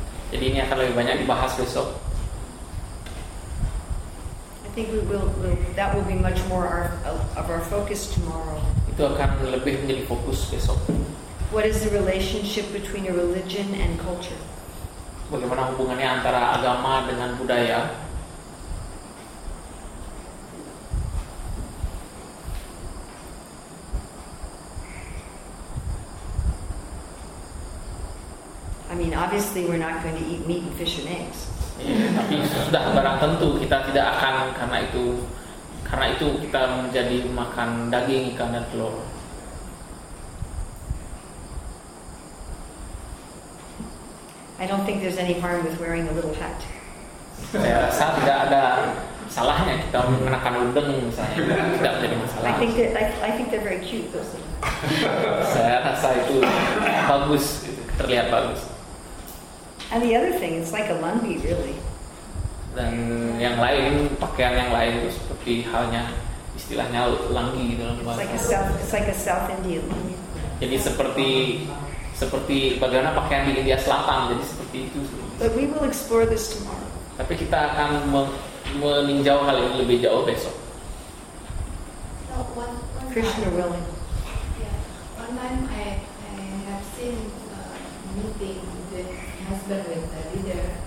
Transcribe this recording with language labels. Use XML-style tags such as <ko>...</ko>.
<id>Jadi ini akan lebih banyak dibahas besok.</id> <en>I think that will be much more of our focus tomorrow.</en> <id>Itu akan lebih menjadi fokus besok.</id> <en>What is the relationship between a religion and culture?</en> <id>Bagaimana hubungannya antara agama dengan budaya?</id> <en>I mean, obviously we're not going to eat meat and fish and eggs.</en> <id>Tapi sudah barang tentu kita tidak akan karena itu kita menjadi makan daging ikan dan telur.</id> <en>I don't think there's any harm with wearing a little hat.</en> <id>Saya rasa tidak ada salahnya kita menggunakan udeng misalnya tidak menjadi masalah.</id> <en>I think they're very cute those things.</en> <id>Saya rasa itu bagus, terlihat bagus.</id> <en>And the other thing, it's like a lundi really.</en> <id>Dan yang lain, pakaian yang lain itu seperti halnya istilahnya langgi dalam bahasa.</id> <en>It's like a South Indian.</en> <id>Jadi seperti bagaimana pakaian di India Selatan, jadi seperti itu.</id> <en>But we will explore this tomorrow.</en> <id>Tapi kita akan meninjau hal ini lebih jauh besok.</id> <en>Krishna willing. Yeah, one time I have seen meeting the husband with the leader.</en>